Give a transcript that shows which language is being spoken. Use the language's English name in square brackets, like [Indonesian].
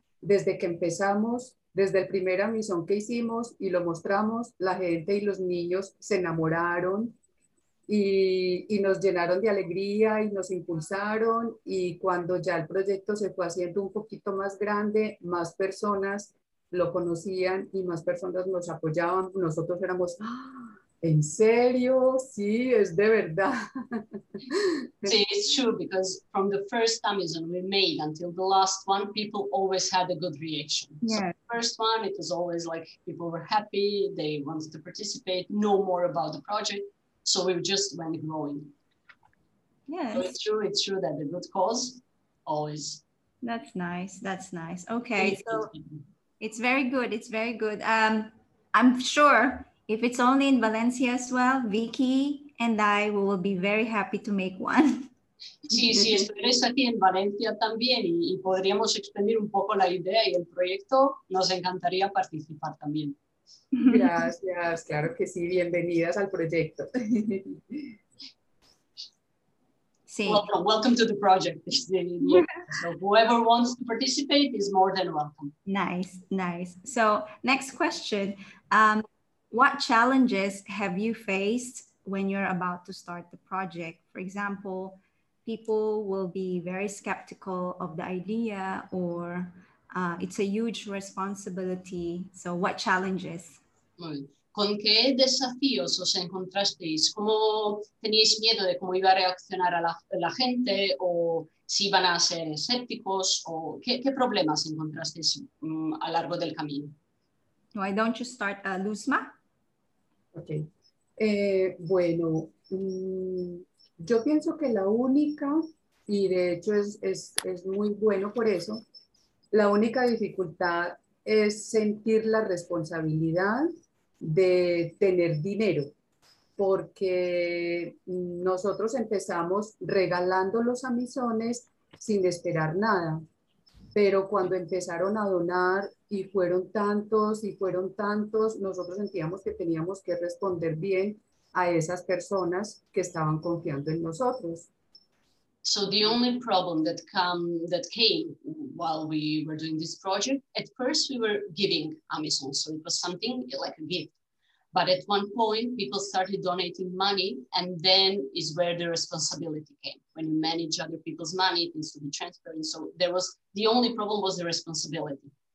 [Spanish] Desde que empezamos, desde el primer amizón que hicimos y lo mostramos, la gente y los niños se enamoraron y nos llenaron de alegría y nos impulsaron. Y cuando ya el proyecto se fue haciendo un poquito más grande, más personas lo conocían y más personas nos apoyaban. Nosotros éramos, ¡ah! ¿En serio? Sí, es de verdad. [English] See, it's true because from the first Amizón we made until the last one, people always had a good reaction. Yeah. So the first one, it was always like people were happy, they wanted to participate, know more about the project. So we just went growing. Yes. So it's true that the good cause always. That's nice. That's nice. Okay. It's very good. It's very good. I'm sure if it's only in Valencia as well, Vicky and I will be very happy to make one. [Spanish] Sí, sí, si estuvieras aquí en Valencia también y podríamos expandir un poco la idea y el proyecto, nos encantaría participar también. Gracias, claro que sí, bienvenidas al proyecto. Sí. [English] Welcome to the project. So whoever wants to participate is more than welcome. Nice, nice. So next question. What challenges have you faced when you're about to start the project? For example, people will be very skeptical of the idea or it's a huge responsibility. So what challenges? [Spanish] ¿Con qué desafíos os encontrasteis? ¿Cómo teníais miedo de cómo iba a reaccionar a la gente o si iban a ser escépticos o qué problemas encontrasteis a lo largo del camino? [English] Why don't you start, Luzma? Okay. [Spanish] Bueno, yo pienso que la única, y de hecho es muy bueno por eso, la única dificultad es sentir la responsabilidad de tener dinero, porque nosotros empezamos regalando los amizones sin esperar nada, pero cuando empezaron a donar y fueron tantos, nosotros sentíamos que teníamos que responder bien a esas personas que estaban confiando en nosotros. [English] So the only problem that came while we were doing this project, at first we were giving Amizón, so it was something like a gift. But at one point people started donating money, and then is where the responsibility came. When you manage other people's money, it needs to be transparent. So there was the only problem was the responsibility.